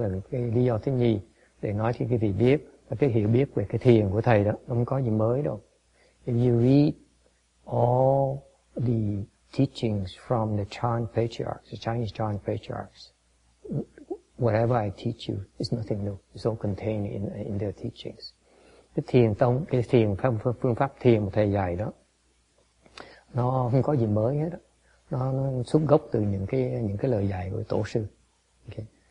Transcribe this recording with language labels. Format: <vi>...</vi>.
<vi>Cái lý do thứ nhì để nói cho quý vị biết và cái hiểu biết về cái thiền của thầy đó không có gì mới đâu.</vi> <en>If you read all the teachings from the Chan patriarchs, the Chinese Chan patriarchs, whatever I teach you is nothing new. It's all contained in their teachings.</en> <vi>Cái thiền phương pháp thiền của thầy dạy đó, nó không có gì mới hết đó. Nó xuất gốc từ những cái lời dạy của tổ sư. Okay.</vi>